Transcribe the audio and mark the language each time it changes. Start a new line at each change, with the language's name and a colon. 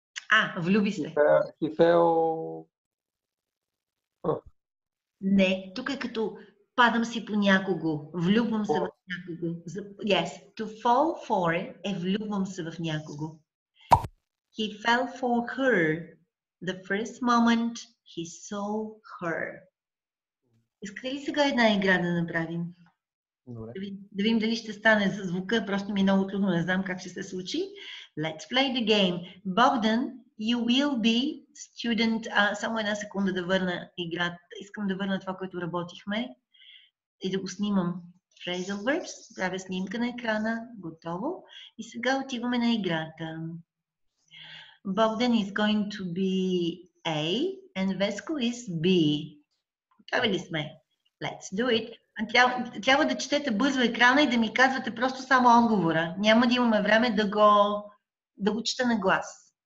Bulgarian: А, влюби се.
English: He fell...
Bulgarian: Не, тук е като падам си по някого. Влюбвам се в някого.
English: Yes, to fall for
Bulgarian: е влюбвам се в някого.
English: He fell for her the first moment he saw her.
Bulgarian: Искате ли сега една игра да направим? Добре. Да видим дали ще стане за звука. Просто ми е много трудно. Не знам как ще се случи.
English: Let's play the game. Богдан, you will be student.
Bulgarian: Само една секунда да върна играта. Искам да върна това, което работихме. И да го снимам.
English: Phrasal verbs.
Bulgarian: Правя снимка на екрана. Готово. И сега отиваме на играта.
English: Bogdan is going to be A and Vesco is B.
Bulgarian: Готовили сме.
English: Let's do it.
Bulgarian: Трябва да четете бързо екрана и да ми казвате просто само отговора. Няма да имаме време да го да го чета на глас.